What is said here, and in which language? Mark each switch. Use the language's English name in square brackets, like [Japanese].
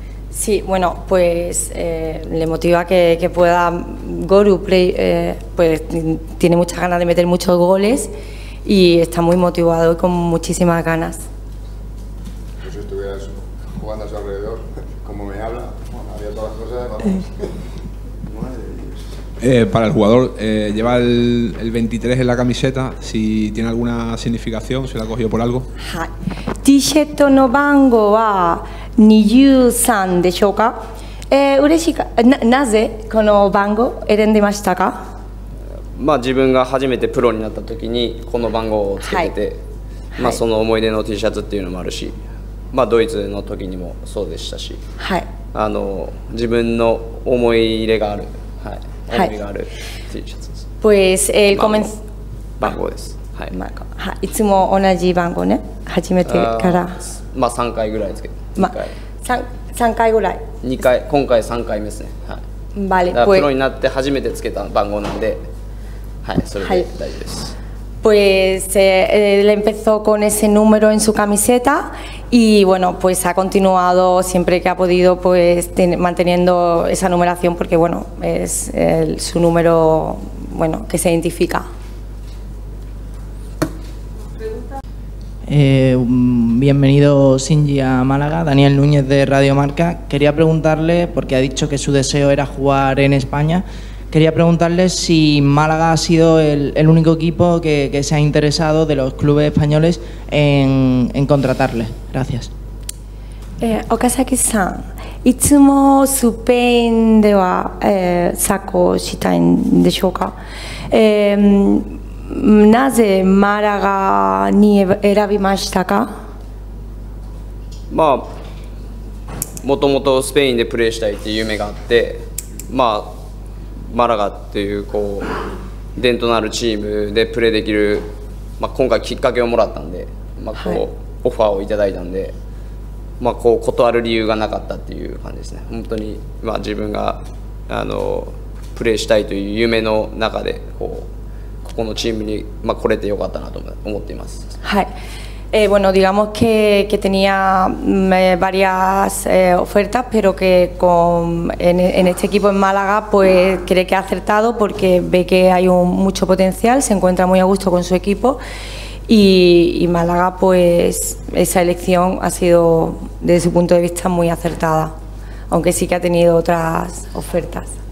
[Spanish] Sí, bueno, pues le motiva que pueda Goru play, pues tiene muchas ganas de meter muchos goles y está muy motivado y con muchísimas ganas. Yo si estuviera jugando a su alrededor, como me habla, bueno, haría todas las cosas. Para el jugador, lleva el 23 en la camiseta, si tiene alguna significación, si la ha cogido por algo. Sí. [Japanese] T-shirt の番号は23でしょうか。嬉しいか、なぜこの番号を選んでましたか。まあ自分が初めてプロになった時にこの番号をつけてて、はい、まあその思い出の T シャツっていうのもあるし、まあドイツの時にもそうでしたし、はい、あの自分の思い入れがある、はい、思いがある T シャツです。 [Spanish] Pues el comenz [Japanese] 番号です。はい。はい、いつも同じ番号ね。初めてからまあ3回ぐらいですけど、 2回、ま、3回ぐらい、 2回、今回3回目ですね。はい、 [Spanish] vale, [Japanese] プロになって初めてつけた番号なんで、はい、それで大丈夫です。はい、 [Spanish] pues él empezó con ese número en su camiseta y bueno, pues ha continuado siempre que ha podido pues manteniendo esa numeración porque bueno, es su número bueno, que se identifica. Bienvenido Shinji a Málaga, Daniel Núñez de Radio Marca. Quería preguntarle, porque ha dicho que su deseo era jugar en España, quería preguntarle si Málaga ha sido el único equipo que se ha interesado de los clubes españoles en contratarle. Gracias. [Japanese] 岡崎さん、いつもスペインでは、サッカーをしたいんでしょうか。なぜマラガに選びましたか。まあ、もともとスペインでプレーしたいっていう夢があって、まあ、マラガっていうこう伝統のあるチームでプレーできる、まあ、今回きっかけをもらったんで、まあこうはい、オファーをいただいたんで、まあ、こう断る理由がなかったっていう感じですね。本当に、まあ、自分があのプレーしたいという夢の中で ここのチームに、まあ、来れてよかったなと思っています。 [Spanish] はい、bueno, digamos que tenía varias ofertas, pero que en este equipo en Málaga, pues cree que ha acertado porque ve que hay mucho potencial, se encuentra muy a gusto con su equipo y Málaga, pues esa elección ha sido, desde su punto de vista, muy acertada, aunque sí que ha tenido otras ofertas.